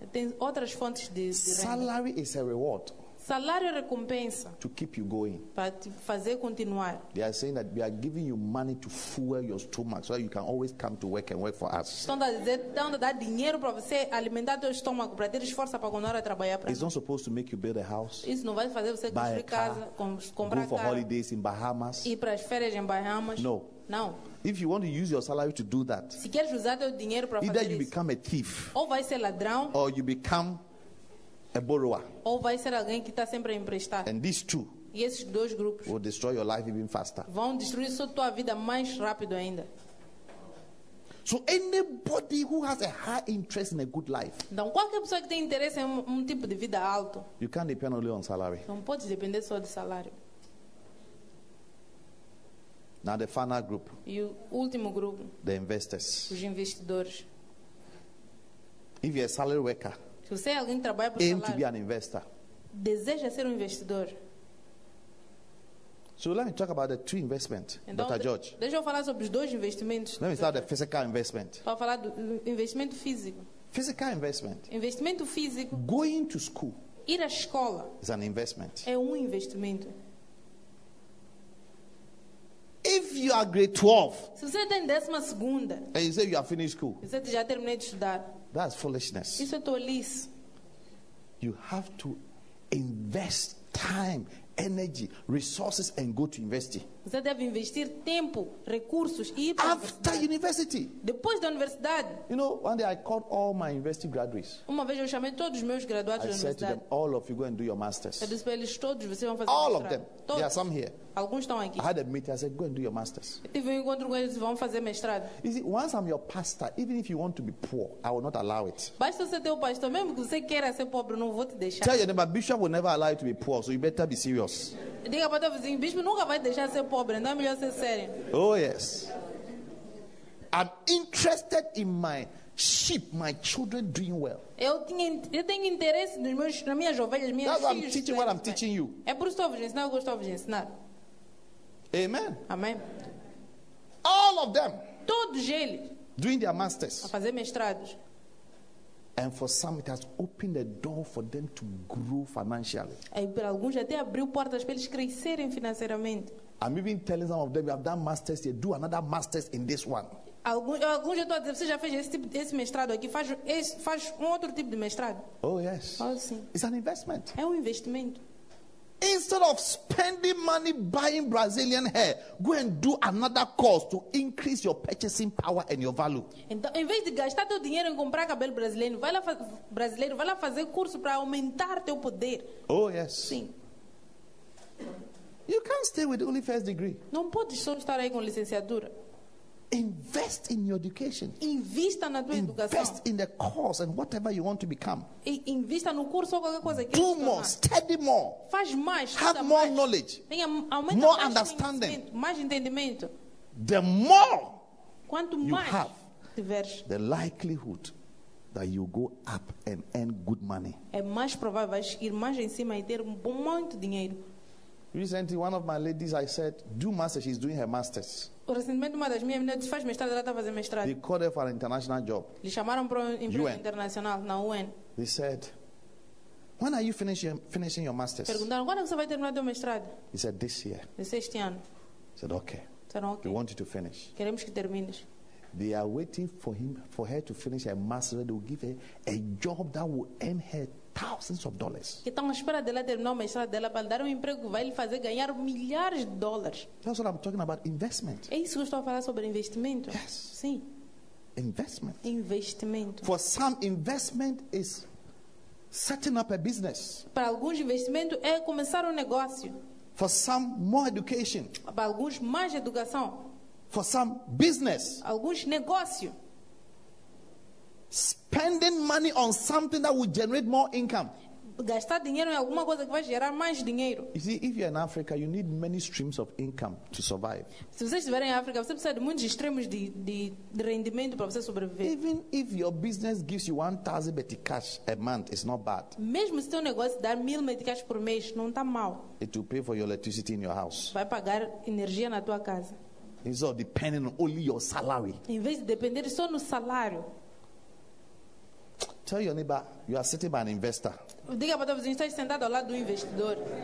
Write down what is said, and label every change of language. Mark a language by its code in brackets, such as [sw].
[pt] Tem outras fontes de renda. [en] Salary is a reward. [pt] Salário é recompensa. [en] To keep you going. [pt] Para te fazer continuar. [en] They are saying that we are giving you money to fuel your stomach so you can always come to work and work for us. [pt] Estão a dar dinheiro para você alimentar teu estômago para ter força para continuar a trabalhar para. [en] It's not supposed to make you build a house. [pt] Isso não vai fazer você construir casa, comprar carro. [en] Go for holidays in Bahamas. [pt] Ir para as férias em Bahamas. [en] No. [pt] Não. [en] If you want to use your salary to do that, [pt] se queres usar teu dinheiro para fazer isso, [en] either you become a thief, [pt] ou vai ser ladrão, [en] or you become a borrower, [pt] ou vai ser alguém que está sempre a emprestar. [en] And these two, [pt] e esses dois grupos, [en] will destroy your life even faster. [pt] Vão destruir sua tua vida mais rápido ainda. [en] So anybody who has a high interest in a good life, [pt] então qualquer pessoa que tem interesse em tipo de vida alto, [en] you can't depend only on salary. [pt] Não pode depender só de salário. [en] Now the final group. [pt] E o último grupo. [en] The investors. [pt] Os investidores. [en] If you're a salary worker. [pt] Se você é alguém que trabalha por salário. [en] Aim to be an investor. [pt] Deseja ser investidor. [en] So let me talk about the two investments, [pt] então, [en] Dr. George. [pt] Deixa eu falar sobre os dois investimentos. [en] Let me start the physical investment. [pt] Para falar do investimento físico. [en] Physical investment. [pt] Investimento físico. [en] Going to school. [pt] Ir à escola. [en] Is an investment. [pt] É investimento. [en] If you are grade 12, [pt] se você está em décima segunda, [en] and you say you are finished school, [pt] você já terminou de estudar, [en] that's foolishness. [pt] Isso é tolice. [en] You have to invest time, energy, resources, and go to university. [pt] Você deve investir tempo, recursos e ir para [en] after university. [pt] Depois da universidade. [en] You know, one day I called all my university graduates. [pt] Uma vez eu chamei todos os meus graduados da universidade. [en] I said to them, all of you go and do your masters. [pt] Eu disse para eles todos, vocês vão fazer. [en] All of them. There are some here. [pt] Alguns estão aqui. [en] I had a meeting. I said, go and do your masters. [pt] Eu tive um encontro com eles, vão fazer mestrado. [en] You see, once I'm your pastor, even if you want to be poor, I will not allow it. [pt] Basta ser teu pastor, mesmo que você queira ser pobre, não vou te deixar. [en] Tell your neighbor, bishop will never allow you to be poor, so you better be serious. [pt] Diga para o vizinho, bispo nunca vai deixar ser pobre, não é melhor ser sério. [en] Oh yes. I'm interested in my sheep, my children doing well. [pt] Eu tenho interesse nos meus, nas minhas ovelhas, minhas filhas. [en] That's why I'm teaching what I'm teaching you. [pt] É por isso que eu ensino, eu gosto de ensinar. [en] Amen. [pt] Amém. [en] All of them. [pt] Todos eles. [en] Doing their masters. [pt] A fazer mestrados. [en] And for some, it has opened the door for them to grow financially. [pt] E para alguns até abriu portas para eles crescerem financeiramente. [en] I'm even telling some of them, you have done masters here, do another masters in this one. [pt] Alguns já estão a dizer, você já fez esse tipo, esse mestrado aqui, faz um outro tipo de mestrado. [en] Oh yes. [pt] Fala sim. [en] It's an investment. [pt] É investimento. [en] Instead of spending money buying Brazilian hair, go and do another course to increase your purchasing power and your value. [pt] Então, em vez de gastar teu dinheiro em comprar cabelo brasileiro, vai lá fazer curso para aumentar teu poder. [en] Oh yes. [pt] Sim. [en] You can't stay with only first degree. [pt] Não pode só estar aí com licenciatura. [en] Invest in your education. [pt] Invista na tua educação. [en] Invest in the course and whatever you want to become. [pt] Invista no curso ou qualquer coisa que [en] do [pt] você [en] more, study more. [pt] Faz mais. [en] Have more knowledge. [pt] Tenha [en] more [pt] mais [en] understanding. [pt] Mais entendimento. [en] The more [pt] quanto [en] you [pt] mais [en] have, [pt] diverso. [en] The likelihood that you go up and earn good money. [pt] É mais provável vais ir mais em cima e ter muito dinheiro. [en] Recently, one of my ladies, I said, do masters. She's doing her masters. [pt] Recentemente, uma das minhas meninas disse, faz mestrado, ela está fazendo mestrado. [en] They called her for an international job. [pt] Lhe chamaram para um emprego internacional na UN. [en] They said, when are you finishing your masters? [pt] Perguntaram, quando você vai terminar o mestrado? [en] He said, this year. [pt] Disse, este ano. [en] He said, okay. [pt] Disseram, okay. [en] We want you to finish. [pt] Queremos que termines. [en] They are waiting for her to finish her master's. They will give her a job that will earn her thousands of dollars. [pt] Que estão à espera dela terminar o mestrado dela para dar um emprego que vai lhe fazer ganhar milhares de dólares. [en] That's what I'm talking about, investment. [pt] É isso que eu estou a falar sobre investimento. [en] Yes. [pt] Sim. [en] Investment. [pt] Investimento. [en] For some, investment is setting up a business. [pt] Para alguns, investimento é começar um negócio. [en] For some, more education. [pt] Para alguns, mais educação. [en] For some business. [pt] Alguns negócio. [en] Spending money on something that will generate more income. [pt] Gastar dinheiro em alguma coisa que vai gerar mais dinheiro. [en] You see, if you're in Africa, you need many streams of income to survive. [pt] Se você estiver em África, você precisa de muitos extremos de rendimento para você sobreviver. [en] Even if your business gives you 1,000 meticash a month, it's not bad. [pt] Mesmo se teu negócio dar 1,000 meticash por mês, não está mal. [en] It will pay for your electricity in your house. [pt] Vai pagar energia na tua casa. [en] Instead of depending on only your salary. [pt] Em vez de depender só no salário. [en] Tell your neighbor, you are sitting by an investor. [pt] Diga para o vizinho, está sentado ao lado do investidor.